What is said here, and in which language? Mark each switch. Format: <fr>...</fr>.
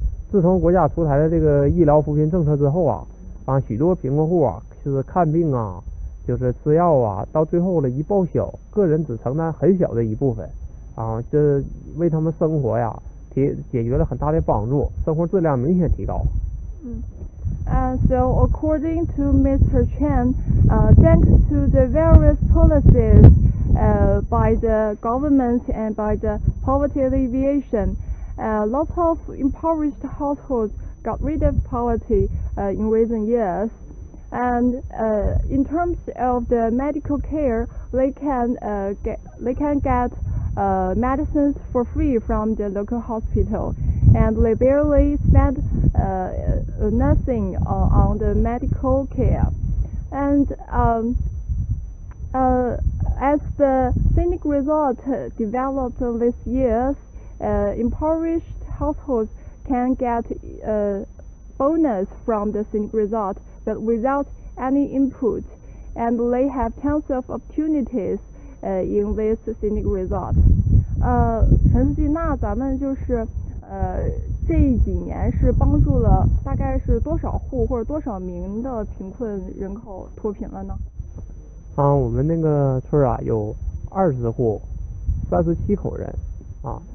<zh>自从国家出台了这个医疗扶贫政策之后啊，许多贫困户啊，就是看病啊。就是吃药啊，到最后了一报销，个人只承担很小的一部分啊，这为他们生活呀解决了很大的帮助，生活质量明显提高。</zh> <en>So according to Mr. Chen, thanks to the various policies by the government and by the poverty alleviation, lots of impoverished households got rid of poverty in recent years. And in terms of the medical care, they can get medicines for free from the local hospital, and they barely spend nothing on the medical care. And as the scenic resort developed this year, impoverished households can get a bonus from the scenic resort. But without any input, and they have tons of opportunities in this scenic resort.</en> <zh>陈书记，那咱们就是这几年是帮助了大概是多少户或者多少名的贫困人口脱贫了呢？我们那个村啊有20户，37口人啊。</zh>